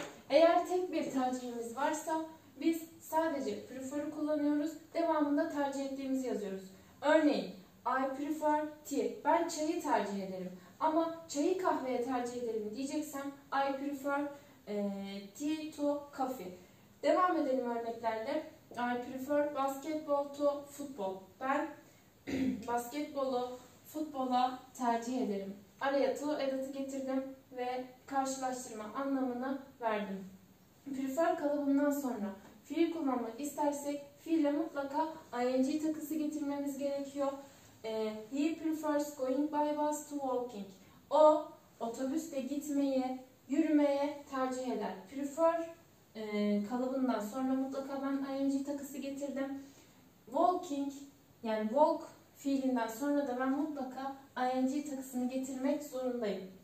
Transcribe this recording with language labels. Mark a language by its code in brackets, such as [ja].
[tr] Eğer tek bir tercihimiz varsa biz sadece prefer'ı kullanıyoruz, devamında tercih ettiğimizi yazıyoruz. Örneğin, [en] I prefer tea. [tr] Ben çayı tercih ederim. Ama çayı kahveye tercih ederim diyeceksem [en] I prefer tea to coffee. [tr] Devam edelim örneklerle. [en] I prefer basketball to football. [tr] Ben basketbolu futbola tercih ederim. Araya to edatı getirdim ve karşılaştırma anlamını verdim. Prefer kalıbından sonra fiil kullanmak istersek fiile mutlaka ing takısı getirmemiz gerekiyor. [en] He prefers going by bus to walking. [tr] O otobüsle gitmeyi, yürümeye tercih eder. Prefer kalıbından sonra mutlaka ben ing takısı getirdim. Walking, yani walk fiilinden sonra da ben mutlaka ing takısını getirmek zorundayım.